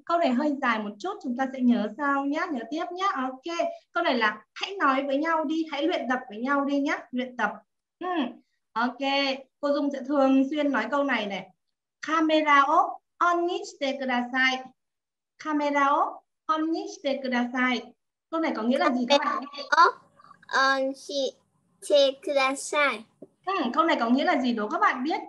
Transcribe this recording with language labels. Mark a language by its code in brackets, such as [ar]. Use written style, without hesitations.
[vi] câu này hơi dài một chút, chúng ta sẽ nhớ sau nhé, nhớ tiếp nhé. Ok. Câu này là hãy nói với nhau đi, hãy luyện tập với nhau đi nhé. Luyện tập. Ừ. Ok. Cô Dung sẽ thường xuyên nói câu này này. [ja] Camera を on にしてください.Camera を on にしてください. [vi] Câu này có nghĩa là gì các bạn? [ja] Camera を on にしてください. [vi] Ừ, câu này có nghĩa là gì đó các bạn biết?